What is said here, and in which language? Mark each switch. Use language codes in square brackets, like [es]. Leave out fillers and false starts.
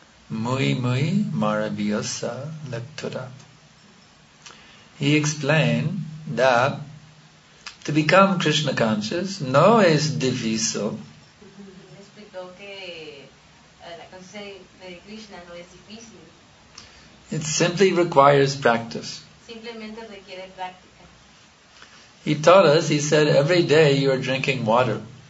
[es] Muy, muy maravillosa lectura. [en] He explained that to become Krishna conscious [es] no es difícil. [en] He explained that the consciousness of Krishna [es] no es difícil. [en] It simply requires practice. [es] Simplemente requiere práctica. [en] He taught us, he said, every day you are drinking water.